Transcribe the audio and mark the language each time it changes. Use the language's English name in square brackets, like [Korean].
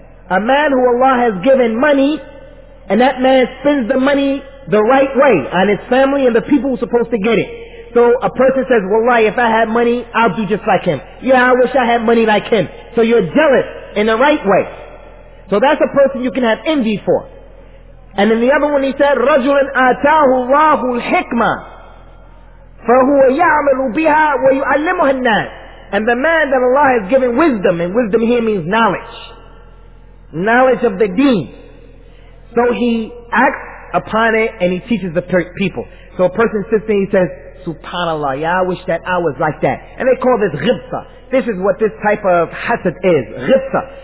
[English] A man who Allah has given money, and that man spends the money the right way on his family and the people who are supposed to get it. So a person says, Wallahi, if I had money, I'll do just like him. Yeah, I wish I had money like him. So you're jealous in the right way. So that's a person you can have envy for. And then the other one he said, [Arabic] رَجُلٌ أَتَاهُ اللَّهُ الْحِكْمَةِ فَهُوَ يَعْمَلُ بِهَا وَيُعَلِّمُهَا النَّاسِ. [English] And the man that Allah has given wisdom, and wisdom here means knowledge. Knowledge of the deen. So he acts upon it and he teaches the people. So a person sits there and he says, SubhanAllah, yeah, I wish that I was like that. And they call this ghibsa. This is what this type of hasad is. Ghibsa.